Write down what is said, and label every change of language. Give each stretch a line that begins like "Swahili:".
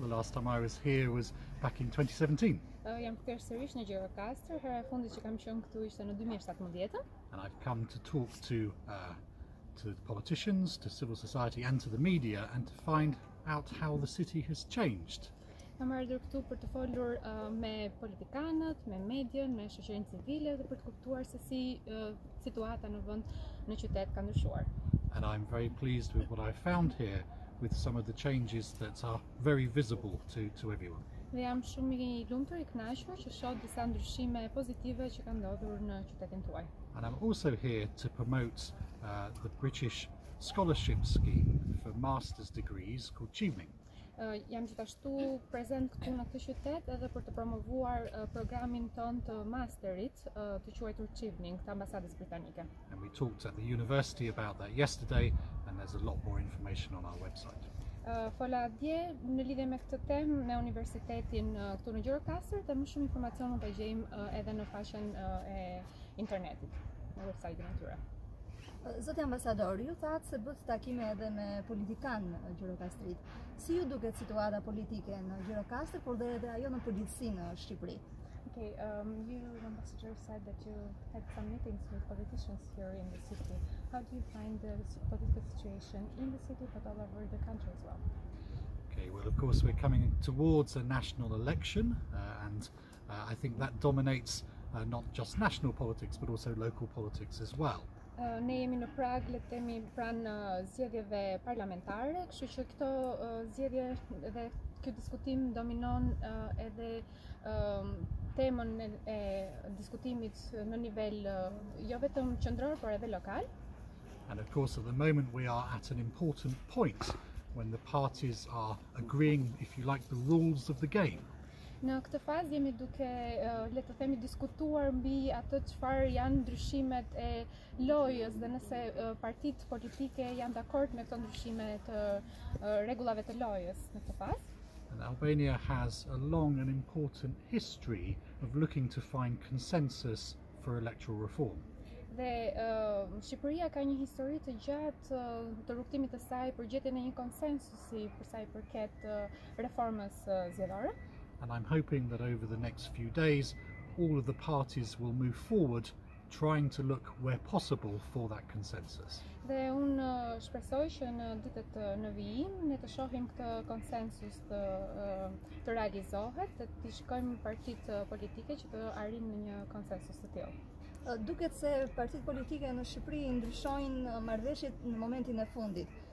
English: The last time I was here was back in 2017. And I've come to talk to the politicians, to civil society and to the media and to find out how the city has changed.
Albanian: Kam ardhur këtu për të folur me politikanët, me median, me shoqërinë civile dhe për të kuptuar se si situata në vend, në qytet ka ndryshuar.
English: And I'm very pleased with what I found here with some of the changes that are very visible to everyone.
Albanian: Dhe jam shumë I lumtur I kënaqur që shoh disa ndryshime pozitive që kanë ndodhur në qytetin tuaj.
English: And I'm also here to promote the British scholarship scheme for master's degrees called qimming.
Albanian: Jam gjithashtu prezent këtu në këtë qytet edhe për të promovuar programin ton të masterit të quajtur qimming të ambasadës britanike.
English: And we talked at the university about that yesterday and there's a lot more information on our website.
Albanian: Fola dje në lidhje me këtë temë me universitetin këtu në Gjirokastër dhe më shumë informacion mund ta gjejmë edhe në faqen e internetit, në website-in e tyre. Zoti ambasador, ju thatë se bëtë takime edhe me politikanë në Gjirokastrit. Si ju duket situata politike në Gjirokastër, por dhe edhe ajo në politësi në Shqipëri?
English: Okay, you, the ambassador, said that you had some meetings with politicians here in the city. How do you find the political situation in the city, but all over the country as well? Okay, well, of course, we're coming towards a national election, and I think that dominates not just national politics, but also local politics as well.
Albanian: Ne jemi në Prag, le të themi pranë zgjedhjeve parlamentare, kështu që këto zgjedhje dhe ky diskutim dominon edhe temën e diskutimit në nivel jo vetëm qendror, por edhe lokal.
English: And of course at the moment we are at an important point when the parties are agreeing, if you like, the rules of the game.
Albanian: Në këtë fazë jemi duke, le të themi, diskutuar mbi atë çfarë janë ndryshimet e lojës dhe nëse partitë politike janë dakord me këto ndryshime të rregullave të lojës në këtë fazë.
English: And Albania has a long and important history of looking to find consensus for electoral reform.
Albanian: Dhe Shqipëria ka një histori të gjatë të rrugëtimit të saj për gjetjen e një konsensusi për sa I përket reformës zgjedhore.
English: And I'm hoping that over the next few days all of the parties will move forward trying to look where possible for that consensus.
Albanian: Dhe un shpresoj që në ditët në vijim ne të shohim këtë konsensus të realizohet, të shikojmë partitë politike që të arrijnë në një konsensus të tillë. Duket se partitë politike në Shqipëri ndryshojnë marrëveshjet në momentin e fundit.